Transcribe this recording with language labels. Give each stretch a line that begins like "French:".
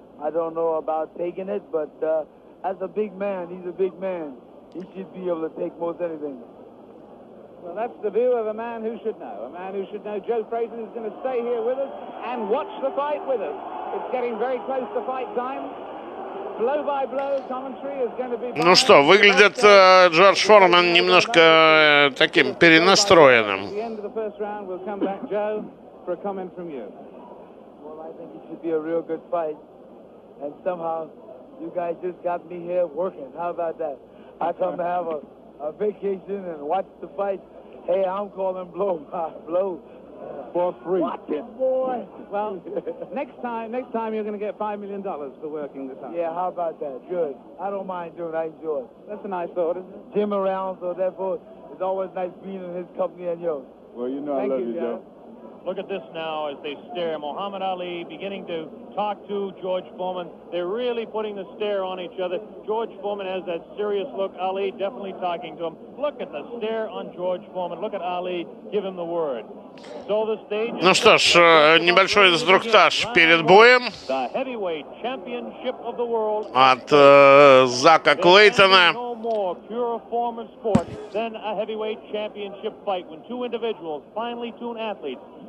English: I don't know about taking it, but as a big man, he's a big man. He should be able to take most anything. Well, that's the view of a man who should know. A man who should know. Joe Frazier is going to stay here with us and watch the fight with us. It's getting very close to fight time.
Russian: Ну что, выглядит Джордж Форман немножко таким перенастроенным.
English: A real good fight, and somehow you guys just got me here working. How about that? I come to have a vacation and watch the fight. Hey, I'm calling Blow. For free. Watch it, boy. Well, next time you're going to get $5 million for working this time. Yeah, how about that? Good. I don't mind doing it. I enjoy it. That's a nice thought, isn't it? Jim around, so therefore, it's always nice being in his company and yours. Well, you know Thank you, Joe. Look at this now as they stare. Muhammad Ali beginning to talk to George Foreman. They're really putting the stare on each other. George Foreman has that serious look. Ali definitely talking to him. Look at the stare on George Foreman. Look at Ali. Give him the word. So the stage.
Russian: Ну что ж, небольшой инструктаж перед боем.
English: The heavyweight championship of the world.
Russian: От Зака Клейтона.
English: No more pure form of sport than a heavyweight championship fight when two individuals, finely tuned athletes.